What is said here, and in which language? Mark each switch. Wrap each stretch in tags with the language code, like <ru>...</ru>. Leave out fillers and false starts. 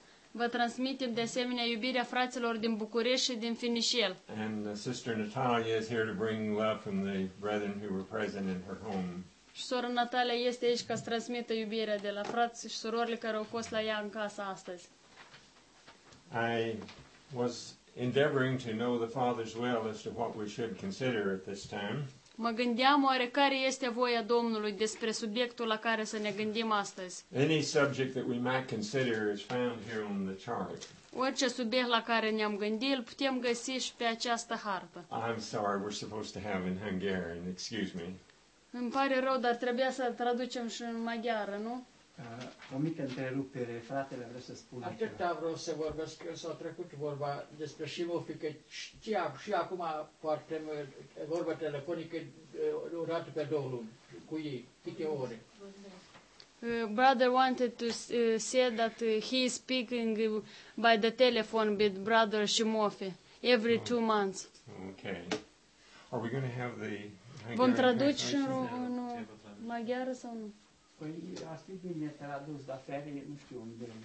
<ro>Vă transmitem de asemenea iubirea fraților din București și din Finișel.</ro> <en>And Sister Natalia is here to bring love from the brethren who were present in her home.</en> <ro>Sora Natalia este aici ca să transmită iubirea de la frați și surorile care au fost la ea în casa astăzi.</ro> <en>I was endeavoring to know the Father's will as to what we should consider at this time.</en> <ro>Mă gândeam oare care este voia Domnului despre subiectul la care să ne gândim astăzi.</ro> <en>Any subject that we might consider is found here on the chart.</en> <ro>Orice subiect la care ne-am gândit îl putem găsi și pe această hartă.</ro> <en>I'm sorry, we're supposed to have in Hungarian, excuse me.</en> <ro>Îmi pare rău, dar trebuia să traducem și în maghiară, nu? O mică întrerupere, fratele vrea să spună. Atâta vreau să vorbesc, s-a trecut vorba despre Shimofi, că știam și acum poartem vorba telefonică o dată pe două luni, cu ei, câte ore.</ro> <en>Brother wanted to say that he is speaking by the telephone with Brother Shimofi every 2 months. Okay. Are we going to have the...</en> <ro>Vom traduce și în maghiară sau nu? Păi ar fi bine tradus, dar fere nu știu unde.</ro>